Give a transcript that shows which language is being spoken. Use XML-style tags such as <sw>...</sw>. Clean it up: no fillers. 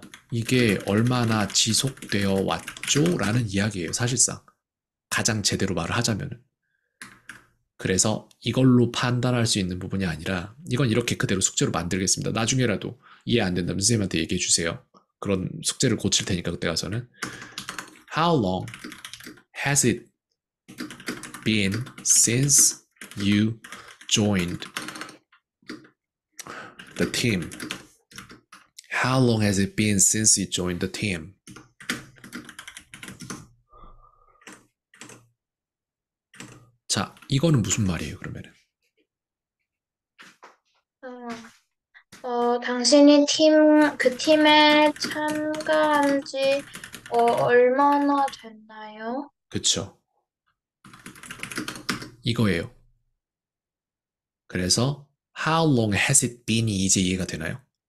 <ko>이게 얼마나 지속되어 왔죠? 라는 이야기예요, 사실상. 가장 제대로 말을 하자면은. 그래서 이걸로 판단할 수 있는 부분이 아니라, 이건 이렇게 그대로 숙제로 만들겠습니다. 나중에라도 이해 안 된다면 선생님한테 얘기해 주세요. 그런 숙제를 고칠 테니까, 그때 가서는.</ko> <en>How long has it been since you joined the team? How long has it been since you joined the team?</en> <ko>자, 이거는 무슨 말이에요, 그러면은? 당신이 그 팀에 참가한 지 얼마나 됐나요? 그쵸. 이거예요. 그래서, How long has it been 이 이제 이해가 되나요?</ko>